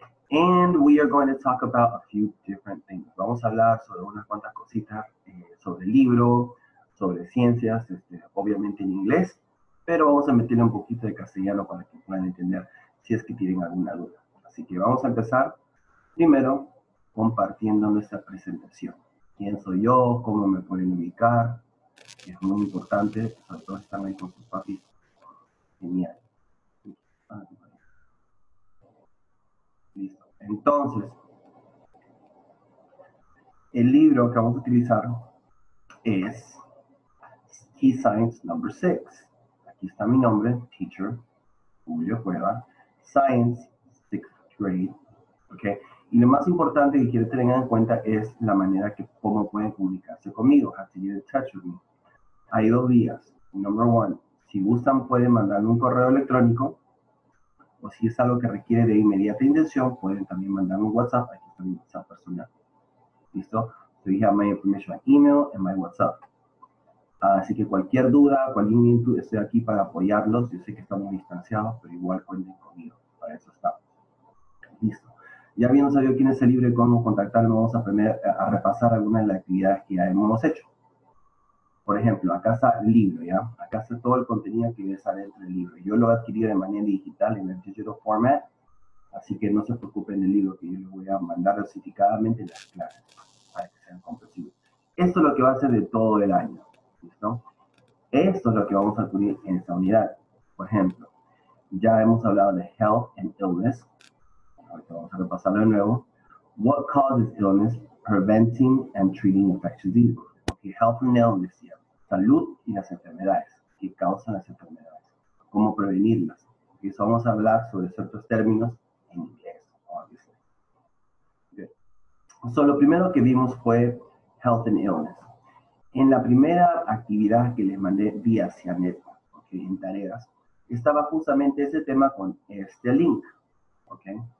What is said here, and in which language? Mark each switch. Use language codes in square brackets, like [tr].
[en] And we are going to talk about a few different things. [es] Vamos a hablar sobre unas cuantas cositas, sobre el libro, sobre ciencias, obviamente en inglés, pero vamos a meterle un poquito de castellano para que puedan entender si es que tienen alguna duda. Así que vamos a empezar primero compartiendo nuestra presentación. ¿Quién soy yo? ¿Cómo me pueden ubicar? Es muy importante, sobre todo están ahí con sus papis. Genial. Listo. Entonces, el libro que vamos a utilizar es Key Science Number 6. Aquí está mi nombre, Teacher Julio Cueva, Science 6th Grade. Okay. Y lo más importante que quiero tener en cuenta es la manera que cómo pueden comunicarse conmigo. [en] Have to get in touch with me. [es] Hay dos vías. [en] Number one, [es] si gustan pueden mandarme un correo electrónico o si es algo que requiere de inmediata intención, pueden también mandarme un WhatsApp. Aquí está mi WhatsApp personal. ¿Listo? [en] So you have my information, my email and my WhatsApp. [es] Así que cualquier duda, cualquier inquietud, estoy aquí para apoyarlos. Yo sé que estamos distanciados, pero igual cuenten conmigo. Para eso está. Listo. Ya habiendo sabido quién es el libro y cómo contactarlo, vamos a aprender a repasar algunas de las actividades que ya hemos hecho. Por ejemplo, acá está el libro, ¿ya? Acá está todo el contenido que ves adentro del libro. Yo lo adquirí de manera digital en el [en] digital format, [es] así que no se preocupen del libro, que yo les voy a mandar certificadamente las clases para que sean comprensibles. Esto es lo que va a ser de todo el año, ¿listo? Esto es lo que vamos a adquirir en esta unidad. Por ejemplo, ya hemos hablado de [en] health and illness. [es] Ahorita vamos a repasarlo de nuevo. [en] What causes illness, preventing and treating infectious diseases? Health and illness, yeah. [es] Salud y las enfermedades, que causan las enfermedades, cómo prevenirlas. Y eso vamos a hablar sobre ciertos términos en inglés, obviamente. Okay. So, lo primero que vimos fue [en] health and illness. [es] En la primera actividad que les mandé vía Cianet, okay, en tareas, estaba justamente ese tema con este link. Okay.